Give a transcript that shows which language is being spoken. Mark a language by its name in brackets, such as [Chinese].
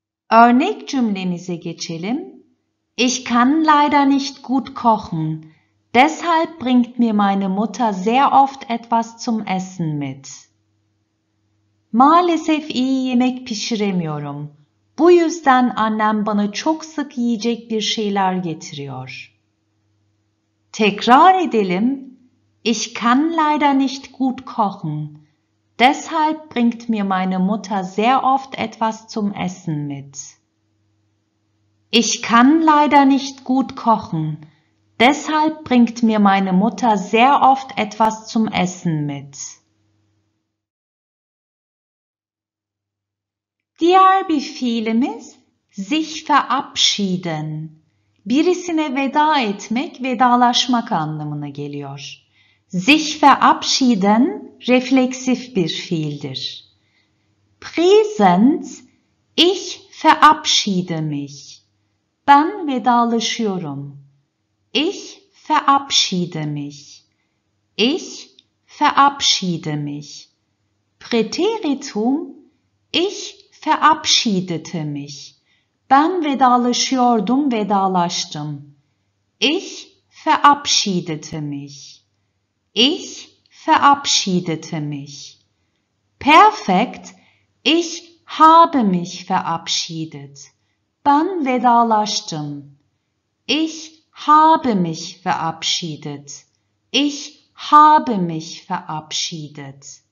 [Turkish] Örnek cümlemize geçelim. [German] Ich kann leider nicht gut kochen. Deshalb bringt mir meine Mutter sehr oft etwas zum Essen mit. [Turkish] Maalesef iyi yemek pişiremiyorum. Bu yüzden annem bana çok sık yiyecek bir şeyler getiriyor. Tekrar edelim. [German] Ich kann leider nicht gut kochen. Deshalb bringt mir meine Mutter sehr oft etwas zum Essen mit. Ich kann leider nicht gut kochen. Deshalb bringt mir meine Mutter sehr oft etwas zum Essen mit. [Turkish] Diğer bir fiilimiz sich verabschieden. Birisine veda etmek, vedalaşmak anlamına geliyor. Sich verabschieden refleksif bir fiildir. [German] Präsent, ich verabschiede mich. [Turkish] Ben vedalaşıyorum. [German] Ich verabschiede mich. Ich verabschiede mich. Präteritum, ich verabschiedete mich. [Turkish] Ben vedalaşıyordum, vedalaştım. [German] Ich verabschiedete mich. Ich verabschiedete mich. Perfekt. Ich habe mich verabschiedet. [Turkish] Ben vedalaştım. [German] Ich habe mich verabschiedet. Ich habe mich verabschiedet.